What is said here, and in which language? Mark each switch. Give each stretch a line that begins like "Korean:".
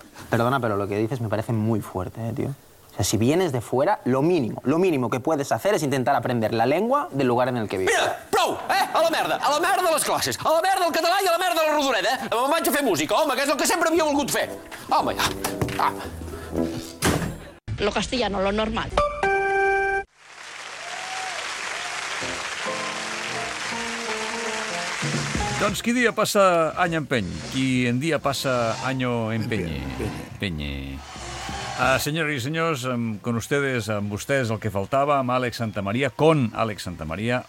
Spanish: Perdona, pero lo que dices me parece muy fuerte, tío. Si vienes de fuera, lo mínimo que puedes hacer es intentar aprender la lengua del lugar en el que vives.
Catalan: Mira, prou, a la merda les classes, a la merda el català i a la merda la Rodoreda. Me'n vaig a fer música, home, que és el que sempre havia volgut fer. Home, ja.
Spanish: Lo castellano, lo normal.
Catalan: Doncs qui dia passa any empeny?
Spanish: Qui en dia passa año empeñe? Empeñe.
Catalan: Senyores i senyors, amb vostès el que faltava, amb Àlex Santamaría, con Àlex Santamaría.